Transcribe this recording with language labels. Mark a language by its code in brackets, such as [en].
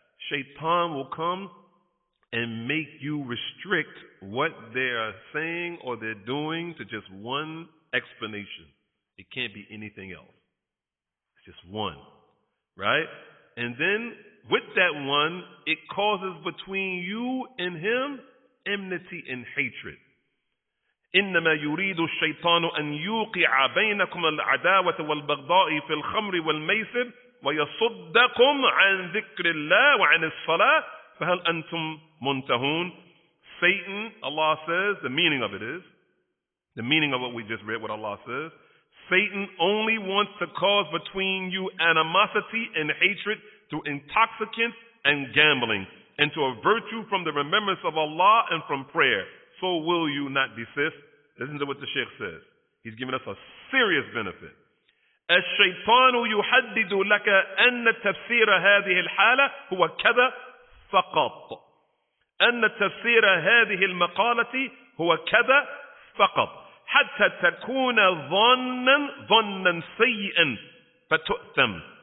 [en] Shaytan will come and make you restrict what they're saying or they're doing to just one explanation. It can't be anything else. It's just one, right? And then with that one, it causes between you and him enmity and hatred. [ar] إنما يريد الشيطان أن يوقع بينكم العداوة والبغضاء في الخمر والميسر ويصدكم عن ذكر الله وعن الصلاة فهل أنتم منتهون. [en] Satan, Allah says, the meaning of it is, the meaning of what we just read, what Allah says, Satan only wants to cause between you animosity and hatred through intoxicants and gambling, and to avert you from the remembrance of Allah and from prayer. So will you not desist. Listen to what the Sheikh says. He's giving us a serious benefit. [ar] الشيطان يحدد لك أن تفسير هذه الحالة هو كذا فقط. أن تفسير هذه المقالة هو كذا فقط. حتى تكون ظنا سيئا فتؤثم.